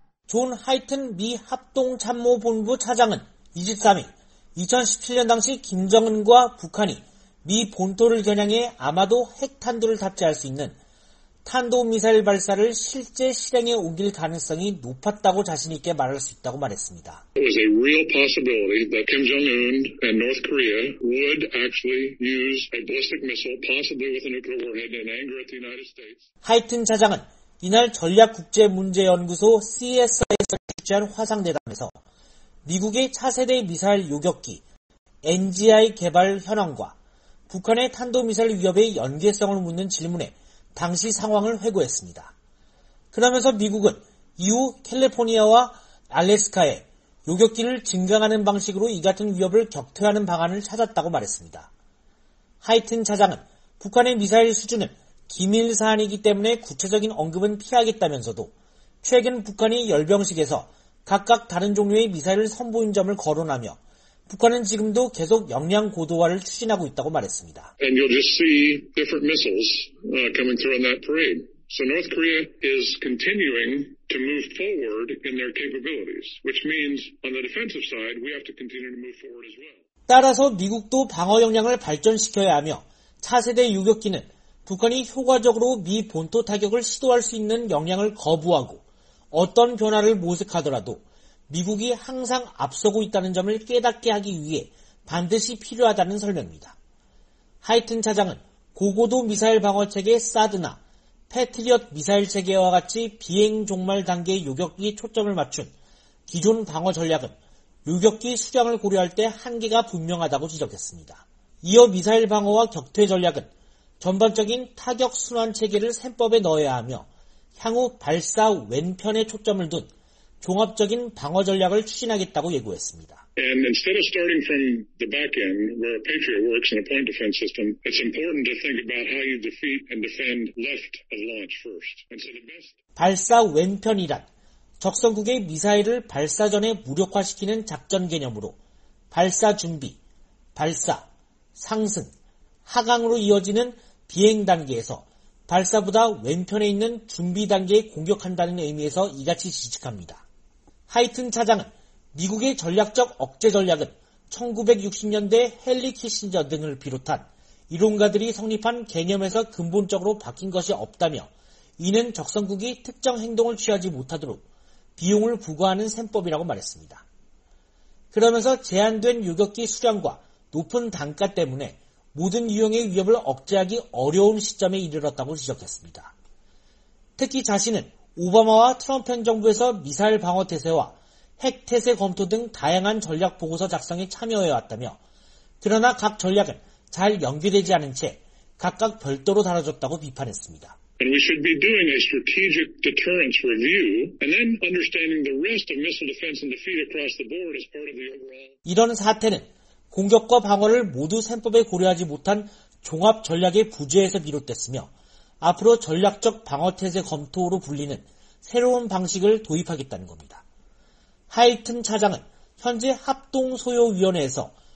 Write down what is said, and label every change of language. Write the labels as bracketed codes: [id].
[ko] 존 하이튼 미 합동참모본부 차장은 23일 2017년 당시 김정은과 북한이 미 본토를 겨냥해 아마도 핵탄두를 탑재할 수 있는 탄도미사일 발사를 실제 실행에 옮길 가능성이 높았다고 자신있게 말할 수 있다고 말했습니다. [en] It was a real possibility that Kim Jong-un and North Korea would actually use a ballistic missile, possibly with a nuclear warhead, in anger at the United States. [ko] 하이튼 차장은 이날 전략국제문제연구소 CSIS에서 주최한 화상대담에서 미국의 차세대 미사일 요격기 NGI 개발 현황과 북한의 탄도미사일 위협의 연계성을 묻는 질문에 당시 상황을 회고했습니다. 그러면서 미국은 이후 캘리포니아와 알래스카에 요격기를 증강하는 방식으로 이 같은 위협을 격퇴하는 방안을 찾았다고 말했습니다. 하이튼 차장은 북한의 미사일 수준은 기밀 사안이기 때문에 구체적인 언급은 피하겠다면서도 최근 북한이 열병식에서 각각 다른 종류의 미사일을 선보인 점을 거론하며 북한은 지금도 계속 역량 고도화를 추진하고 있다고 말했습니다. [en] And you'll just see different missiles coming through on that parade. So North Korea is continuing to move forward in their capabilities, which means on the defensive side, we have to continue to move forward as well. [ko] 따라서 미국도 방어 역량을 발전시켜야 하며 차세대 요격기는 북한이 효과적으로 미 본토 타격을 시도할 수 있는 역량을 거부하고 어떤 변화를 모색하더라도 미국이 항상 앞서고 있다는 점을 깨닫게 하기 위해 반드시 필요하다는 설명입니다. 하이튼 차장은 고고도 미사일 방어체계 사드나 패트리엇 미사일 체계와 같이 비행 종말 단계 요격기 초점을 맞춘 기존 방어 전략은 요격기 수량을 고려할 때 한계가 분명하다고 지적했습니다. 이어 미사일 방어와 격퇴 전략은 전반적인 타격 순환 체계를 셈법에 넣어야 하며 향후 발사 왼편에 초점을 둔 종합적인 방어 전략을 추진하겠다고 예고했습니다. [en] And instead of starting from the back end where Patriot works in a point defense system, it's important to think about how you defeat and defend left of launch first. And so the best [ko] 발사 왼편이란 적성국의 미사일을 발사 전에 무력화시키는 작전 개념으로 발사 준비, 발사, 상승, 하강으로 이어지는 비행 단계에서 발사보다 왼편에 있는 준비 단계에 공격한다는 의미에서 이같이 지적합니다. 하이튼 차장은 미국의 전략적 억제 전략은 1960년대 헨리 키신저 등을 비롯한 이론가들이 성립한 개념에서 근본적으로 바뀐 것이 없다며 이는 적성국이 특정 행동을 취하지 못하도록 비용을 부과하는 셈법이라고 말했습니다. 그러면서 제한된 요격기 수량과 높은 단가 때문에 모든 유형의 위협을 억제하기 어려운 시점에 이르렀다고 지적했습니다. 특히 자신은 오바마와 트럼프 행정부에서 미사일 방어 태세와 핵 태세 검토 등 다양한 전략 보고서 작성에 참여해왔다며 그러나 각 전략은 잘 연결되지 않은 채 각각 별도로 다뤄졌다고 비판했습니다. [en] And we should be doing a strategic deterrence review and then understanding the rest of missile defense and defeat across the board as part of the overall. [ko] 이런 사태는 공격과 방어를 모두 셈법에 고려하지 못한 종합 전략의 부재에서 비롯됐으며 앞으로 전략적 방어태세 검토로 불리는 새로운 방식을 도입하겠다는 겁니다. 하이튼 차장은 현재 합동소요위원회에서